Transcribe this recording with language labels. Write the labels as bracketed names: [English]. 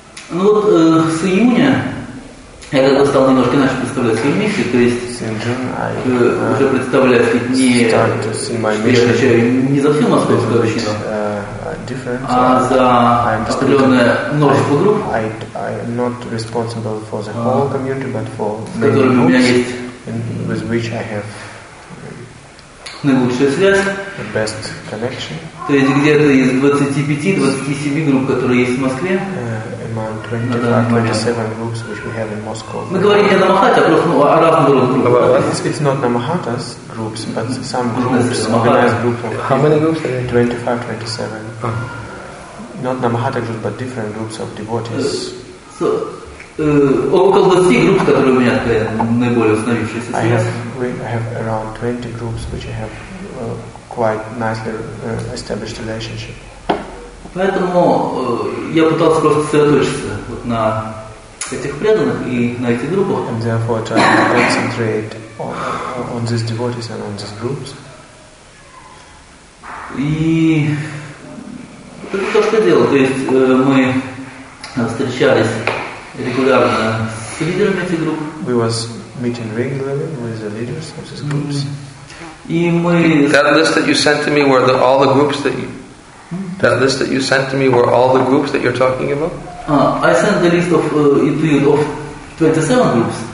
[Russian] Ну вот с июня я как бы стал немножко иначе представлять свои миссии, то есть уже представлять не отвечаю не за всю московскую общину, а за определенное множество групп, [English] I'm not responsible for the whole community, but for many groups, with which I have [Russian] наилучшая связь, [English] the best connection. [Russian] То есть где-то из 25-27 групп, которые есть в Москве. Мы говорим не о Намахате, а просто о разных группах. [English] It's not Namahata's groups, but some groups, organized group of. How many groups? 25-27. Not Namahata groups, but different groups of devotees. [Russian] Около 20 групп, которые у меня наиболее установившиеся. [English] I have around 20 groups, which I have quite nicely established relationship. [Russian] Поэтому я пытался просто сосредоточиться вот на этих преданных и на этих группах. [English] And therefore try to concentrate on these devotees and on these groups. [Russian] И это то, что я делал. То есть мы встречались регулярно с лидерами этих групп. [English] We was meeting regularly with the leaders of these groups. [Russian] И мы. [English] That list that you sent to me were all the groups that you. That list that you sent to me were all the groups that you're talking about? I sent the list of 27 groups.